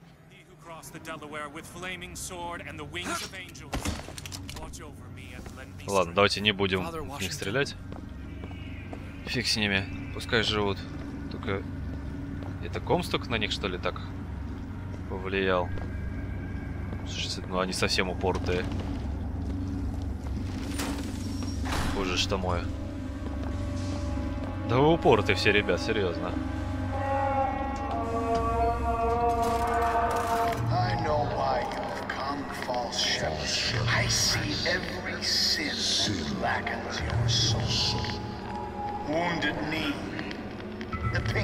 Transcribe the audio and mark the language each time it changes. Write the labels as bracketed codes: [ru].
[en] He who crossed the Delaware with flaming sword and the wings of angels. Watch over me and lend me. [ru] Ладно, давайте не будем в них стрелять. Фиг с ними. Пускай живут. Только это Комсток на них, что ли, так повлиял. Ну, они совсем упортые. Боже, что мое. Да вы упортые все, ребят, серьезно. [en] I know why you have come, false shepherd. I see every sin that blackens your soul. Wounded knee. The